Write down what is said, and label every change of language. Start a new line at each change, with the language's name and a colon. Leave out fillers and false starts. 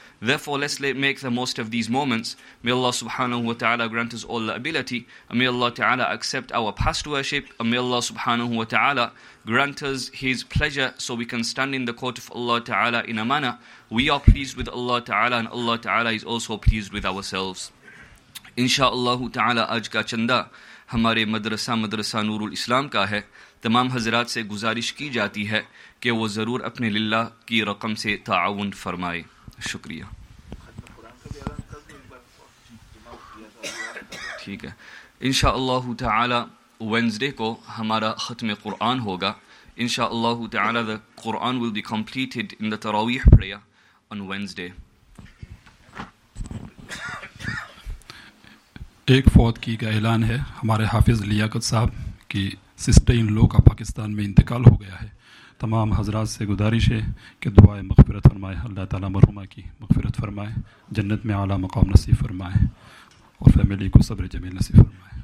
English: Therefore, let's make the most of these moments. May Allah Subhanahu Wa Ta'ala grant us all the ability. And may Allah Ta'ala accept our past worship. And may Allah Subhanahu Wa Ta'ala grant us His pleasure so we can stand in the court of Allah Ta'ala in a manner we are pleased with Allah Ta'ala, and Allah Ta'ala is also pleased with ourselves.
Urdu: InshaAllah Ta'ala, aaj ka chanda ہمارے مدرسہ نور الاسلام کا ہے. تمام حضرات سے گزارش کی جاتی ہے کہ وہ ضرور اپنے للہ کی رقم سے تعاون فرمائے. شکریہ. ٹھیک ہے. انشاءاللہ تعالی وینزڈے کو ہمارا ختم قرآن ہوگا.
English: انشاءاللہ تعالی the Quran will be completed in the Taraweeh prayer on Wednesday.
Urdu: ایک فوت کی کا اعلان ہے ہمارے حافظ لیاقت صاحب کی سسٹر ان لو کا پاکستان میں انتقال ہو گیا ہے. تمام حضرات سے گزارش ہے کہ دعائے مغفرت فرمائے. اللہ تعالیٰ مرحوما کی مغفرت فرمائے, جنت میں اعلیٰ مقام نصیب فرمائے, اور فیملی کو صبر جمیل نصیب فرمائے.